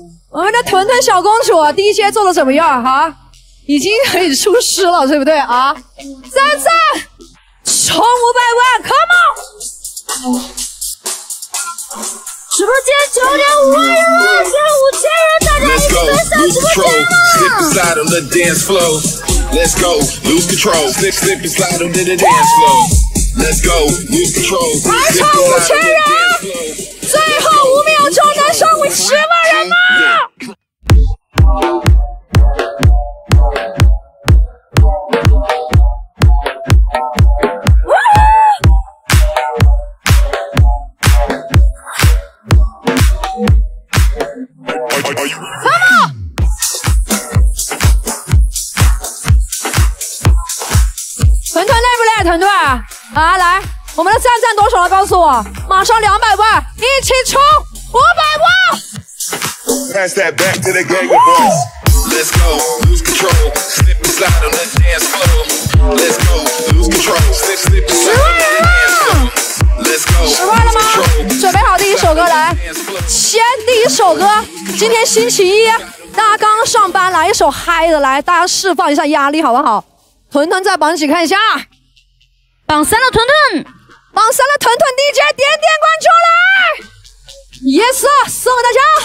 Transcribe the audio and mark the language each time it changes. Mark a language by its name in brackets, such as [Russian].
[Chinese] 我们的屯屯小公主第一阶做的怎么样？哈、啊，已经可以出师了，对不对啊？三三，冲五百万 ， [English] Come on！ [Chinese] 直播间九点五万人了，现在五千人，大家一起分享直播间了。 [English] Slip and slide on the dance floor. Let's go, lose control. Slip, slip and slide on the dance floor. Let's go, lose control. [Chinese] 还差五千人，最后五秒钟能上五十万人吗？团团累不累？团团啊，来，我们的赞赞多少了？告诉我，马上两百万，一起冲五百万！ [English] Pass that back to the gang of boys. Let's go, lose control, slip and slide on the dance floor. Let's go, lose control, slip, slip and slide on the dance floor. [Chinese] 十万了吗？准备好第一首歌来，先第一首歌。今天星期一，大家刚上班，来一首嗨的来，大家释放一下压力好不好？屯屯在榜几？看一下，榜三了，屯屯，榜三了，屯屯 DJ 点点关注来 ，yes， 送给大家。